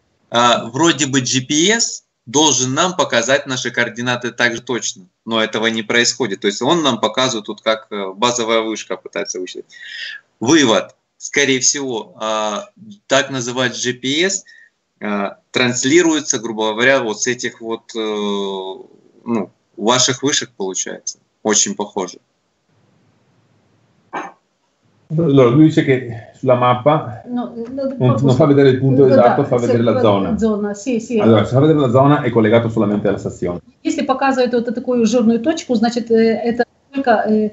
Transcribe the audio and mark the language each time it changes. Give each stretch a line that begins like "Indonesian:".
Russian: Вроде бы GPS должен нам показать наши координаты также точно, но этого не происходит. То есть он нам показывает тут как базовая вышка пытается высчитать. Вывод. Скорее всего, так называть GPS транслируется, грубо говоря, вот с этих вот ну, ваших вышек получается. Очень похоже.
Italian: Allora, lui dice che sulla mappa non fa vedere il punto esatto, fa vedere la zona. Sì. Allora, se fa vedere la zona è collegato solamente alla stazione.
Russian: Если показывает вот такую жирную точку, значит это только